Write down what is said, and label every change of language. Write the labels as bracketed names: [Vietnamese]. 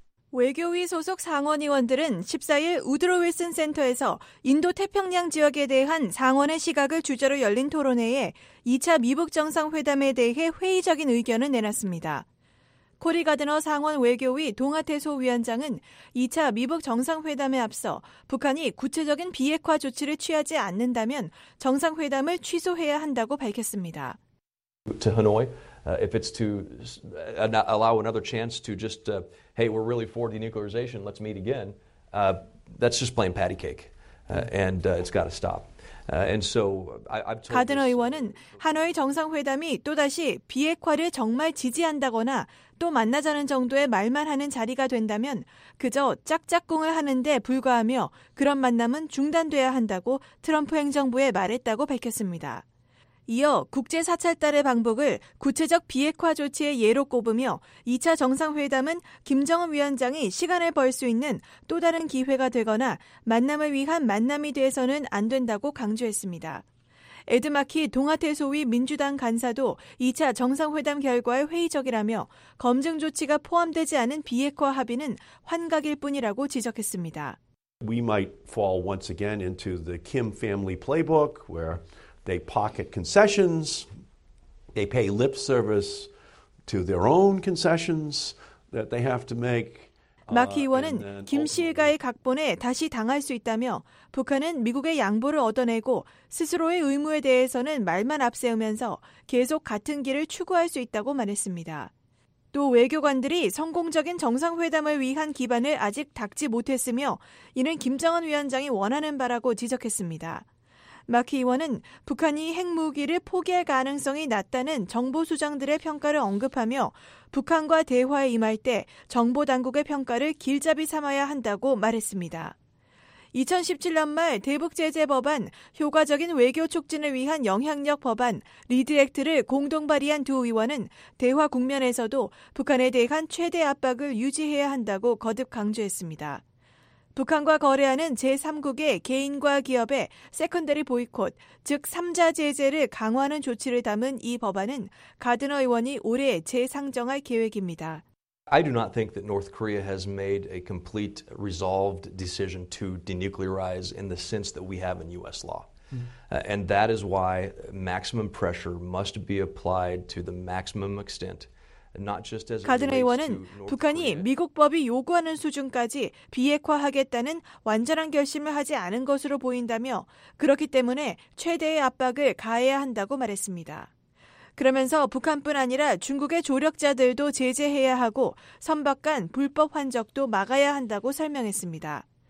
[Korean] 외교위 소속 상원의원들은 14일 우드로 윌슨 센터에서 인도태평양 지역에 대한 상원의 시각을 주제로 열린 토론회에 2차 미북 정상회담에 대해 회의적인 의견을 내놨습니다. 코리 가드너 상원 외교위 동아태소 위원장은 2차 미북 정상회담에 앞서 북한이 구체적인 비핵화 조치를 취하지 않는다면 정상회담을 취소해야 한다고 밝혔습니다. [English] To Hanoi, if it's to allow another chance to just, hey, we're really for denuclearization, let's meet again, that's just plain patty cake, and it's got to stop. And so I've told [Korean] 가드너 의원은 하노이 정상회담이 또다시 비핵화를 정말 지지한다거나 또 만나자는 정도의 말만 하는 자리가 된다면 그저 짝짝꿍을 하는 데 불과하며 그런 만남은 중단돼야 한다고 트럼프 행정부에 말했다고 밝혔습니다. 이어 국제 사찰단의 방북을 구체적 비핵화 조치의 예로 꼽으며 2차 정상회담은 김정은 위원장이 시간을 벌 수 있는 또 다른 기회가 되거나 만남을 위한 만남이 돼서는 안 된다고 강조했습니다. 에드마키 동아태소위 민주당 간사도 2차 정상회담 결과에 회의적이라며 검증 조치가 포함되지 않은 비핵화 합의는 환각일 뿐이라고 지적했습니다. [English] We might fall once again into the Kim family playbook where they pocket concessions, They pay lip service to their own concessions that they have to make. [Korean] 마키 의원은 김 씨 일가의 각본에 다시 당할 수 있다며 북한은 미국의 양보를 얻어내고 스스로의 의무에 대해서는 말만 앞세우면서 계속 같은 길을 추구할 수 있다고 말했습니다. 또 외교관들이 성공적인 정상회담을 위한 기반을 아직 닦지 못했으며 이는 김정은 위원장이 원하는 바라고 지적했습니다. 마키 의원은 북한이 핵무기를 포기할 가능성이 낮다는 정보 수장들의 평가를 언급하며 북한과 대화에 임할 때 정보 당국의 평가를 길잡이 삼아야 한다고 말했습니다. 2017년 말 대북 제재 법안, 효과적인 외교 촉진을 위한 영향력 법안, 리드 액트를 공동 발의한 두 의원은 대화 국면에서도 북한에 대한 최대 압박을 유지해야 한다고 거듭 강조했습니다. 북한과 거래하는 제3국의 개인과 기업의 세컨더리 보이콧, 즉 3자 제재를 강화하는 조치를 담은 이 법안은 가드너 의원이 올해 재상정할 계획입니다. [English] I do not think that North Korea has made a complete resolved decision to denuclearize in the sense that we have in U.S. law. And that is why maximum pressure must be applied to the maximum extent. [Korean] 가드너 의원은 북한이 미국 법이 요구하는 수준까지 비핵화하겠다는 완전한 결심을 하지 않은 것으로 보인다며 그렇기 때문에 최대의 압박을 가해야 한다고 말했습니다. 그러면서 북한뿐 아니라 중국의 조력자들도 제재해야 하고 선박 간 불법 환적도 막아야 한다고 설명했습니다.